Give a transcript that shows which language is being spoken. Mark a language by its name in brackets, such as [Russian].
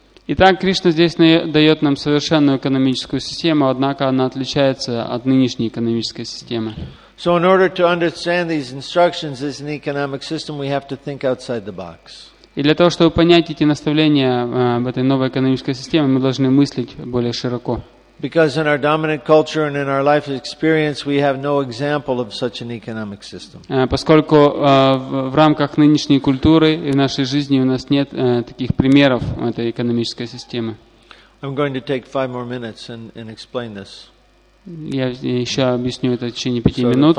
[Russian] Итак, Кришна здесь дает нам совершенную экономическую систему, однако она отличается от нынешней экономической системы. [English] So in order to understand these instructions as an economic system, we have to think outside the box. [Russian] И для того, чтобы понять эти наставления в этой новой экономической системе, мы должны мыслить более широко. [English] Because in our dominant culture and in our life experience, we have no example of such an economic system. [Russian] Поскольку в рамках нынешней культуры и в нашей жизни у нас нет таких примеров этой экономической системы. [English] I'm going to take 5 more minutes and explain this. [Russian] Я еще объясню это в течение 5 минут.